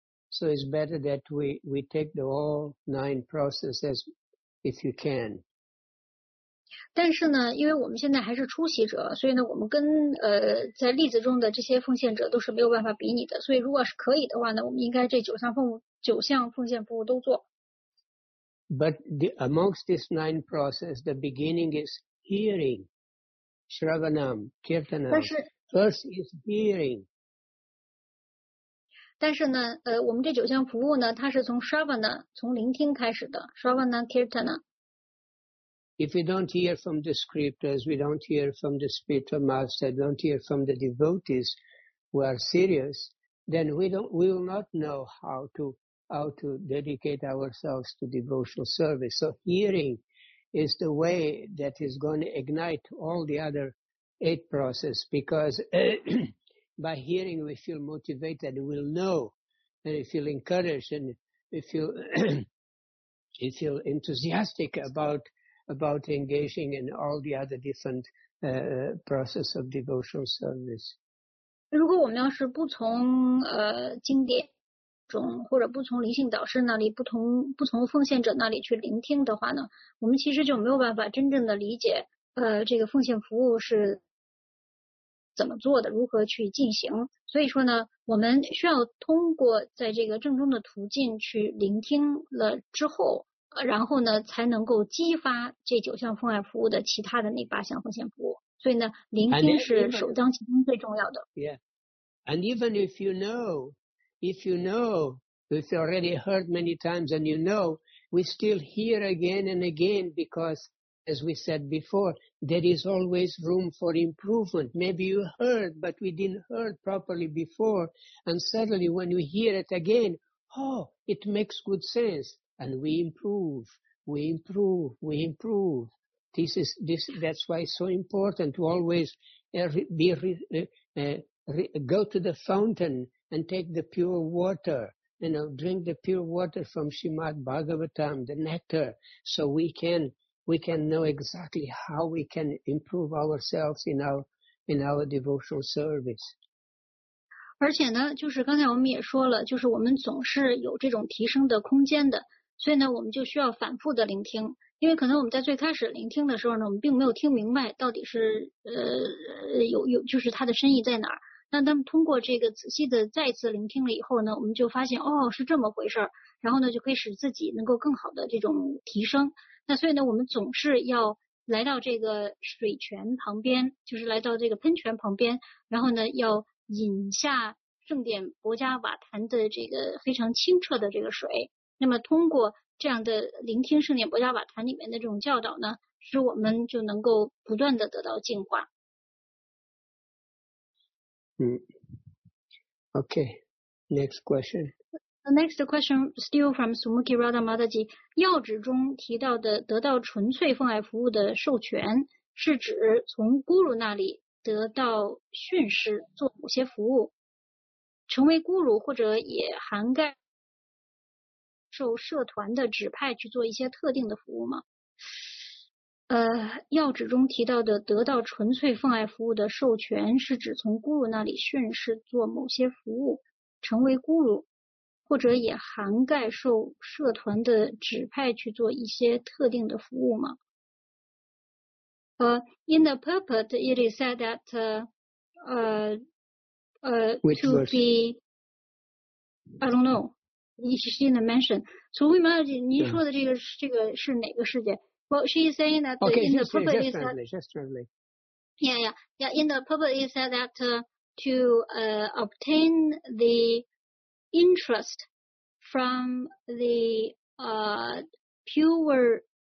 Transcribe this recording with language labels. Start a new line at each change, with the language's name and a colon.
English: So it's better that we take the all nine processes if you can.
Chinese: 但是呢，因为我们现在还是初习者，所以呢，我们跟在例子中的这些奉献者都是没有办法比拟的。所以如果是可以的话呢，我们应该这九项奉献服务都做。
English: But amongst these nine process, the beginning is hearing, shravanam, kirtanam. First is hearing.
Chinese: 但是呢，我们这九项服务呢，它是从 shravana, 从聆听开始的 ，shravana, kirtana.
English: If we don't hear from the scriptures, we don't hear from the spiritual master, don't hear from the devotees who are serious, then we will not know how to dedicate ourselves to devotional service. So hearing is the way that is going to ignite all the other eight processes, because by hearing we feel motivated and we'll know and we feel encouraged and we feel we feel enthusiastic about engaging in all the other different process of devotional service.
Chinese: 如果我们要是不从经典中或者不从灵性导师那里不从奉献者那里去聆听的话呢，我们其实就没有办法真正的理解这个奉献服务是怎么做的，如何去进行。所以说呢，我们需要通过在这个正中的途径去聆听了之后然后呢才能够激发这九项奉爱服务的其他的那八项奉献服务。所以呢，聆听是首当其冲最重要的。
English: Yeah, and even if you knowIf you know, if you already heard many times and you know, we still hear again and again because, as we said before, there is always room for improvement. Maybe you heard, but we didn't hear properly before. And suddenly when you hear it again, oh, it makes good sense. And we improve, we improve, we improve. That's why it's so important to always go to the fountain and take the pure water, you know, drink the pure water from Srimad Bhagavatam, the nectar, so we can know exactly how we can improve ourselves in our in our devotional service.
Chinese: 而且呢，就是刚才我们也说了，就是我们总是有这种提升的空间的，所以呢，我们就需要反复的聆听，因为可能我们在最开始聆听的时候呢，我们并没有听明白到底是有就是它的深意在哪儿。那他们通过这个仔细的再次聆听了以后呢，我们就发现哦是这么回事儿，然后呢就可以使自己能够更好的这种提升。那所以呢，我们总是要来到这个水泉旁边，就是来到这个喷泉旁边，然后呢要饮下圣殿博迦瓦坛的这个非常清澈的这个水。那么通过这样的聆听圣殿博迦瓦坛里面的这种教导呢，使我们就能够不断的得到净化。
English: Mm. Okay, next question. The next question, still from Sumukhi Radha Mataji.
Chinese: 要旨中提到的得到纯粹奉爱服务的授权，是指从咕噜那里得到训示做某些服务，成为咕噜或者也涵盖受社团的指派去做一些特定的服务吗？要旨中提到的得到纯粹奉爱服务的授权，是指从咕噜那里训示做某些服务，成为咕噜，或者也涵盖受社团的指派去做一些特定的服务吗？
English: In the purport, it is said that I don't know. It's in the mention. So we might,
Chinese: 您说的这个是哪个世界？
English: Well, she is saying that in the purport is that, in the purport is said that to obtain the interest from the pure,